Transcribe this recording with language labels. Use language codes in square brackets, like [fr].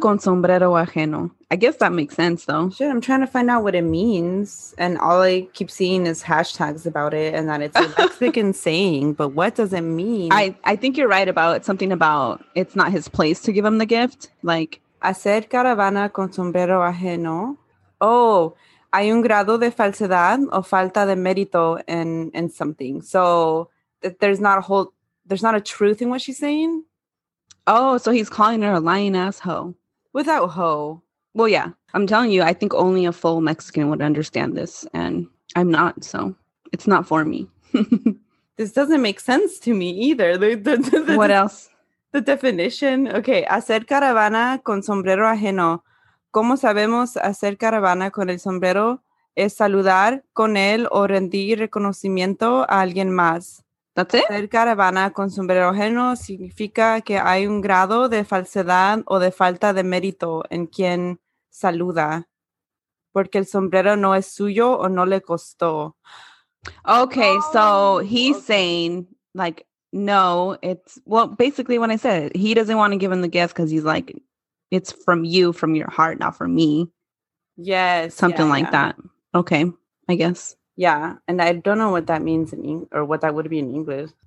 [es] con sombrero ajeno. [en] I guess that makes sense though. Shit, I'm trying to find out what it means. And all I keep seeing is hashtags about it and that it's a Mexican saying, but what does it mean? I think you're right about something about it's not his place to give him the gift. Like I said, [es] caravana con sombrero ajeno. Oh, hay un grado de falsedad o falta de mérito en something. [en] So there's not a truth in what she's saying. Oh, so he's calling her a lying ass hoe. Without hoe. Well, yeah. I'm telling you, I think only a full Mexican would understand this. And I'm not, so it's not for me. This doesn't make sense to me either. What else? The definition. Okay. [es] Hacer caravana con sombrero ajeno. ¿Cómo sabemos hacer caravana con el sombrero? Es saludar con él o rendir reconocimiento a alguien más. [en] That's it? [es] Hacer caravana con sombrero ajeno significa que hay un grado de falsedad o de falta de mérito en quien saluda. Porque el sombrero no es suyo o no le costó. [en] Okay, oh, so he's saying, like, no, it's... Well, basically what I said, he doesn't want to give him the gift because he's like... It's from you, from your heart, not from me. Yes. Something like that. Okay, I guess. Yeah, and I don't know what that means or what that would be in English.